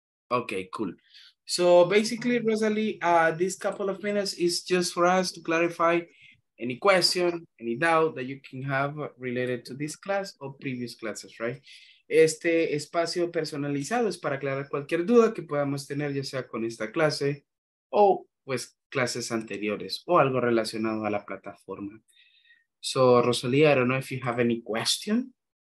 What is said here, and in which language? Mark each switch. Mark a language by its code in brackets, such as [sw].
[en] Okay, cool. So basically, Rosalie, this couple of minutes is just for us to clarify any question, any doubt that you can have related to this class or previous classes, right? [es] Este espacio personalizado es para aclarar cualquier duda que podamos tener, ya sea con esta clase o pues clases anteriores o algo relacionado a la plataforma. [en] So, Rosalía, I don't know if you have any question.